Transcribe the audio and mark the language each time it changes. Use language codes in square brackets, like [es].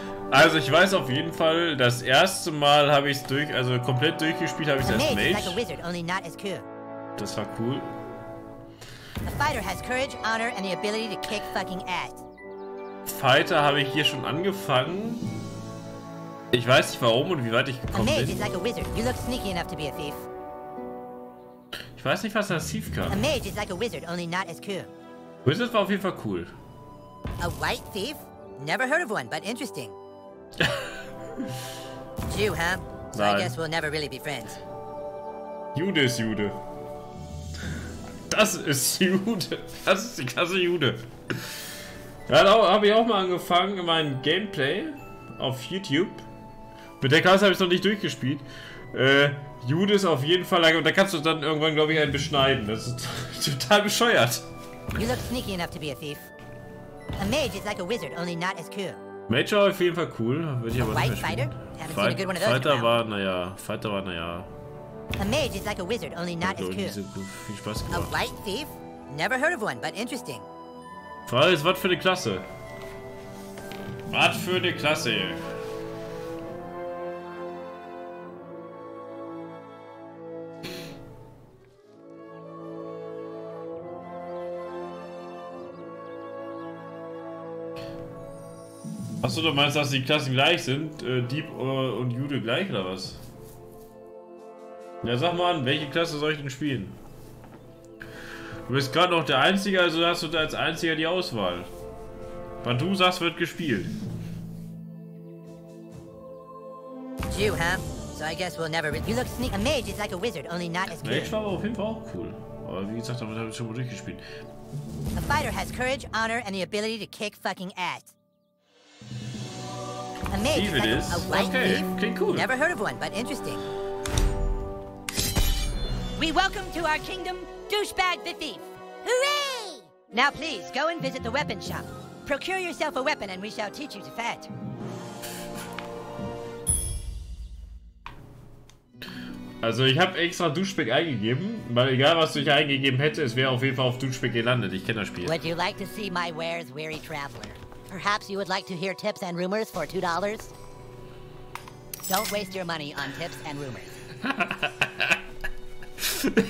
[de] Also, ich weiß auf jeden Fall, das erste Mal habe ich es durch, also komplett durchgespielt habe ich es als Mage. [en] Like a wizard, only not as cool. [de] Das war cool. [en] A fighter has courage, honor and the ability to kick fucking ass. [de] Fighter habe ich hier schon angefangen. Ich weiß nicht warum und wie weit ich gekommen bin. [en] A mage is like a wizard. You look sneaky enough to be a thief. [de] Ich weiß nicht, was das Thief kann. [en] A mage is like a wizard, only not as cool. [de] Wizard war auf jeden Fall cool. [en] A white thief? Never heard of one, but interesting. Jew, huh? [de] Nein. [en] So I guess we'll never really be friends. [de] Jude ist Jude. Das ist Jude. Das ist die Klasse Jude. Ja, da habe ich auch mal angefangen, mein Gameplay auf YouTube. Mit der Klasse habe ich es noch nicht durchgespielt. Jude ist auf jeden Fall lang und da kannst du dann irgendwann, glaube ich, einen beschneiden. Das ist total bescheuert. [en] You look sneaky enough to be a thief. A mage is like a wizard, only not as cool. [de] Mage war auf jeden Fall cool, würde ich aber nicht mehr spielen. Fighter war, naja. [en] A mage is like a wizard, only not as cool. [de] Viel Spaß gemacht. [en] A white thief? Never heard of one, but interesting. [de] Frage ist, was für eine Klasse? Was für eine Klasse? Achso, du meinst, dass die Klassen gleich sind? Dieb und Jude gleich, oder was? Ja, sag mal an, welche Klasse soll ich denn spielen? Du bist gerade noch der Einzige, also hast du da als Einziger die Auswahl. Wann du sagst, wird gespielt. [en] Jew, huh? So I guess we'll never... You look sneaky. A mage is like a wizard, only not as [de] cool. Mage war aber auf jeden Fall auch cool. Aber wie gesagt, damit habe ich schon mal durchgespielt. [en] A fighter has courage, honor and the ability to kick fucking ass. A mage is like a white thief. Okay, cool. Never heard of one, but interesting. We welcome to our kingdom, Douchebag the Thief. Hooray! Now please, go and visit the weapon shop. Procure yourself a weapon and we shall teach you to fight. [de] Also ich habe extra Douchebag eingegeben, weil egal was ich eingegeben hätte, es wäre auf jeden Fall auf Douchebag gelandet. Ich kenne das Spiel. [en] Would you like to see my wares, weary traveler? Perhaps you would like to hear tips and rumors for $2? Don't waste your money on tips and rumors.